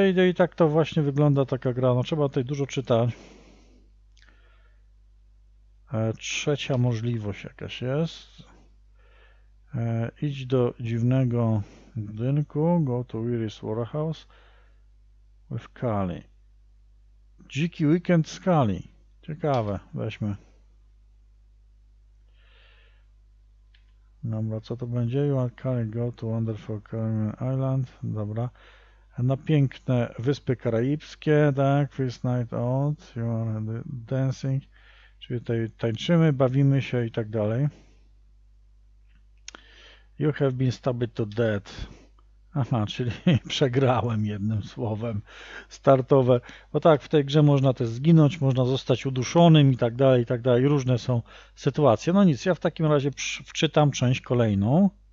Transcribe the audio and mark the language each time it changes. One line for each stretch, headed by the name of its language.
Polish: I tak to właśnie wygląda taka gra. No, trzeba tutaj dużo czytać. Trzecia możliwość jakaś jest. Idź do dziwnego budynku.
English: Go to Weary's Warehouse with Kali.
Polish: Dziki weekend z Kali. Ciekawe, weźmy. Dobra, co to będzie?
English: You can go to Wonderful Caribbean Island.
Polish: Dobra. Na piękne Wyspy Karaibskie, tak?
English: First night out, you are dancing.
Polish: Czyli tutaj tańczymy, bawimy się i tak dalej.
English: You have been stabbed to death.
Polish: Aha, czyli przegrałem jednym słowem startowe. Bo tak, w tej grze można też zginąć, można zostać uduszonym i tak dalej, i tak dalej. Różne są sytuacje. No nic, ja w takim razie wczytam część kolejną.